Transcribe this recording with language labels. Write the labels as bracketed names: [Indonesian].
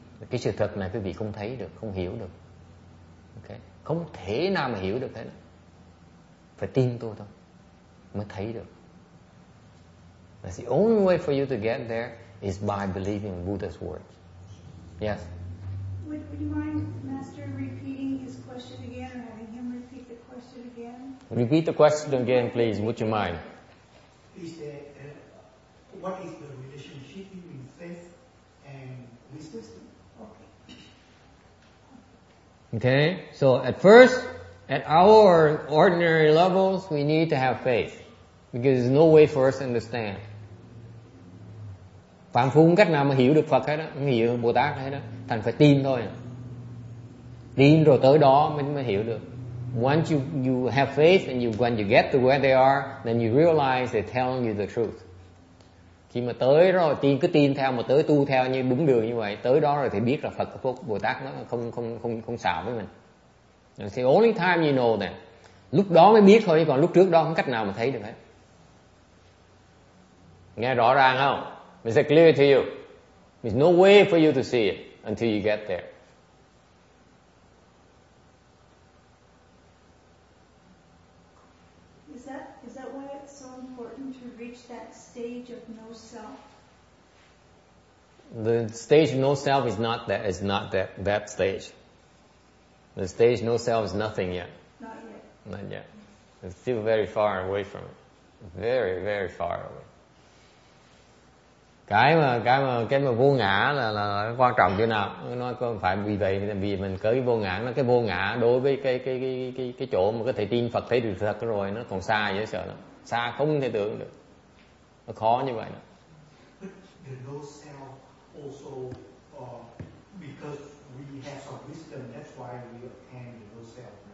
[Vietnamese] Cái sự thật này quý vị không thấy được, không hiểu được. Okay? Không thể nào mà hiểu được hết. Phải tin tôi thôi, mới thấy được. [English] That's the only way for you to get there is by believing Buddha's words. Yes? Would you mind, Master, repeating his question again or having him repeat the question again? Repeat the question again, please. Would you mind? He said, what is the relationship between faith and wisdom? Okay. So at first, at our ordinary levels, we need to have faith because there's no way for us to understand. [Vietnamese] Phạm phu không cách nào mà hiểu được Phật hết đó, không hiểu Bồ Tát hết đó, thành phải tin thôi. Tin rồi tới đó mới hiểu được. [English] Once you have faith and when you get to where they are, then you realize they're telling you the truth. [Vietnamese] Khi mà tới rồi tin, cứ tin theo mà tới, tu theo như đúng đường như vậy, tới đó rồi thì biết là Phật Phúc Bồ Tát nó không xạo với mình. [English] It's the only time you know that. [Vietnamese] Lúc đó mới biết thôi, còn lúc trước đó không cách nào mà thấy được hết. Nghe rõ ràng không? [English] Is it clear to you? There's no way for you to see it until you get there. Is that why it's so important to reach that stage of no self? The stage of no self is not that. It's not that stage. The stage of no self is nothing yet. Not yet. Not yet. It's still very far away from it. Very, very far away. [Vietnamese] Cái mà vô ngã là quan trọng chỗ nào? Nó có phải vì vậy vì mình có cái vô ngã, nó cái vô ngã đối với cái chỗ mà có thể tin Phật thấy được thật rồi, nó còn xa dễ sợ lắm. Xa không thể tưởng được. Nó khó như vậy đó. [English] The no self also because we have some wisdom, that's why we attain the no self.